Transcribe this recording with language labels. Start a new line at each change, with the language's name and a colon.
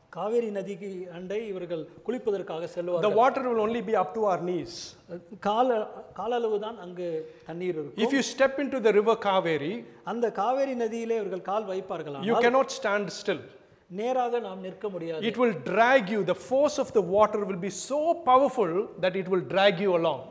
Tamil: காவேரி நதிக்கு அண்டை இவர்கள் குளிப்பதற்காக செல்வார்.
English: The water will only be up to our knees.
Tamil: காலளவு தான் அங்கு தண்ணீர் இருக்கும்.
English: If you step into the river Kaveri,
Tamil: அந்த காவேரி நதியிலே இவர்கள் கால் வைப்பார்களா?
English: You cannot stand still.
Tamil: நேராக நாம் நிற்க முடியாது.
English: It will drag you. The force of the water will be so powerful that it will drag you along.